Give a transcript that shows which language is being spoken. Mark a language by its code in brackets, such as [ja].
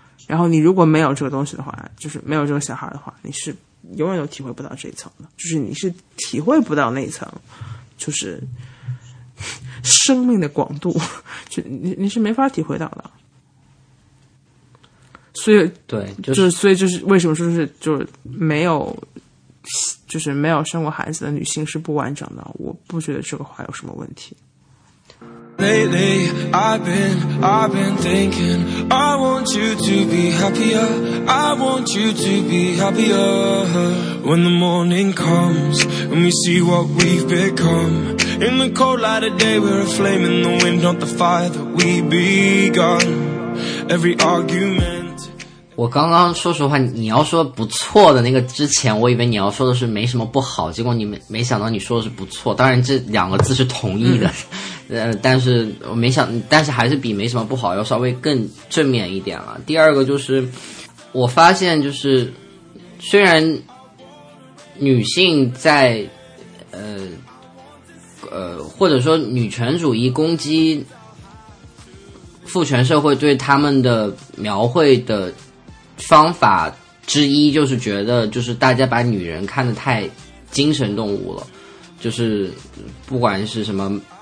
[zh] 然后你如果没有这个东西的话，就是没有这个小孩的话，你是永远都体会不到这一层的，就是你是体会不到那一层就是生命的广度，就你是没法体会到的。所以对，就是为什么说就是没有生过孩子的女性是不完整的，我不觉得这个话有什么问题。 [en] Lately, I've been thinking, I want you to be happier, I want you to be happier. When the morning comes, and we see what we've become. In the cold light of day, we're a flame in the wind, not the fire that we begun. Every argument. [zh] 我刚刚说实话，你要说不错的那个之前，我以为你要说的是没什么不好，结果你没想到你说的是不错，当然这两个字是同意的。但是我没想，但是还是比没什么不好要稍微更正面一点了。第二个就是，我发现就是，虽然女性在，或者说女权主义攻击父权社会对他们的描绘的方法之一，就是觉得就是大家把女人看得太精神动物了，就是不管是什么。